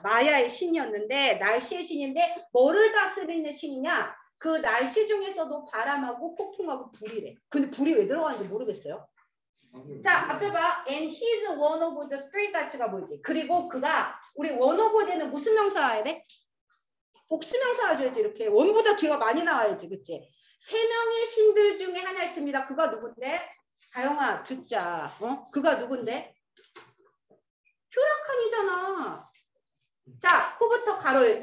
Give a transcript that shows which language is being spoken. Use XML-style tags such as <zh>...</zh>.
<ko>마야의 신이었는데 날씨의 신인데 뭐를 다스리는 신이냐? 그 날씨 중에서도 바람하고 폭풍하고 불이래. 근데 불이 왜 들어가는지 모르겠어요. 자, 앞에 봐.</ko> <en>And he's one of the three gods가</en> <ko>뭐지? 그리고 그가 우리</ko> <en>one of the</en> <ko>는 무슨 명사해야 돼? 복수 명사가 줘야지. 이렇게 원보다 뒤가 많이 나와야지. 그치? 세 명의 신들 중에 하나 있습니다. 그가 누군데? 다영아 듣자. 어? 그가 누군데? 효라칸이잖아. 자, 코부터 가로.</ko>